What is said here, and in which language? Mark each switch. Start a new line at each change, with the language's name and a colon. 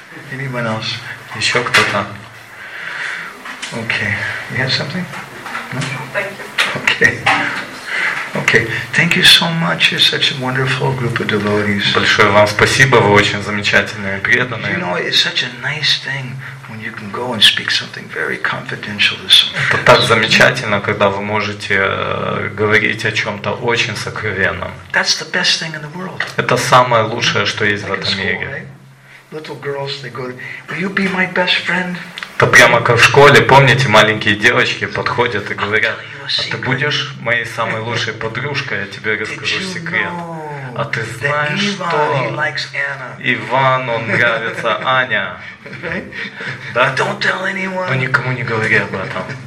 English: Anyone else?
Russian: Еще кто-то?
English: Okay. You have something? No? Thank you. Okay. Okay. Thank you so much. You're such a wonderful group of devotees.
Russian: Большое вам спасибо. Вы очень замечательные и преданные.
English: You know, it's such a nice thing. You can go and speak something very confidential to someone.
Russian: Это так замечательно, когда вы можете говорить о чем-то очень сокровенном. That's the best thing in the world. Это самое лучшее, что есть в этом мире.
English: Little girls, they go, "Will you be my best friend?"
Russian: Это прямо как в школе, помните, маленькие девочки подходят и говорят: "А ты будешь моей самой лучшей подружкой? Я тебе расскажу секрет." А ты знаешь, что Иван, он нравится Аня. Да? Но никому не говори об этом.